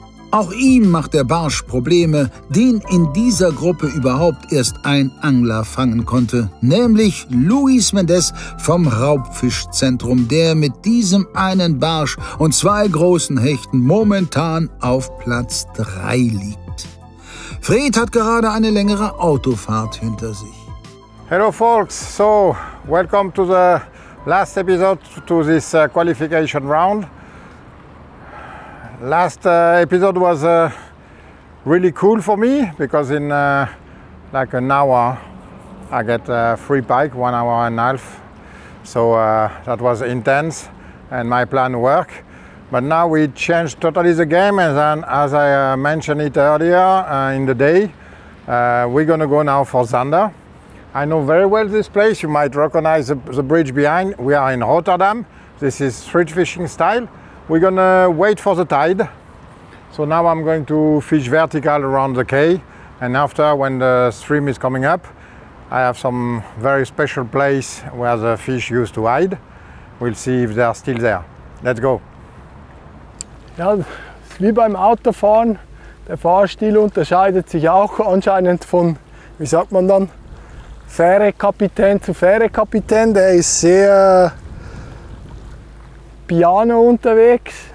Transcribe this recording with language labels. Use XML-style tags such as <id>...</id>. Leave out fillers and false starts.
<de>Auch ihm macht der Barsch Probleme, den in dieser Gruppe überhaupt erst ein Angler fangen konnte, nämlich Luis Mendez vom Raubfischzentrum, der mit diesem einen Barsch und 2 großen Hechten momentan auf Platz 3 liegt. Fred hat gerade eine längere Autofahrt hinter sich.</de> <en>Hello folks, so welcome to the last episode to this qualification round. Last episode was really cool for me because in like an hour I get a free bike, 1.5 hours. So that was intense and my plan worked. But now we changed totally the game, and then, as I mentioned it earlier in the day, we're gonna go now for Zander. I know very well this place. You might recognize the bridge behind. We are in Rotterdam. This is street fishing style. We're gonna wait for the tide. So now I'm going to fish vertical around the quay. And after, when the stream is coming up, I have some very special place where the fish used to hide. We'll see if they are still there. Let's go.</en> <de>Ja, wie beim Autofahren, der Fahrstil unterscheidet sich auch anscheinend von, wie sagt man dann, Fährekapitän zu Fährekapitän. Der ist sehr piano unterwegs.</de>